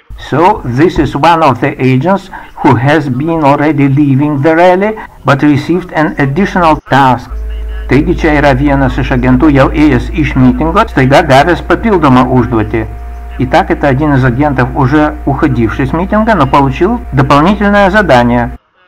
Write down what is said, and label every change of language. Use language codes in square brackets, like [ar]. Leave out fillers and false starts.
[en] So this is one of the agents who has been already leaving the rally, but received an additional task. [lt] Taigi čia yra vienas iš agentų, jau ėjęs iš mitingo, staiga gavęs papildomą užduotį. [ru] Итак, это один из агентов, уже уходивший с митинга, но получил дополнительное задание.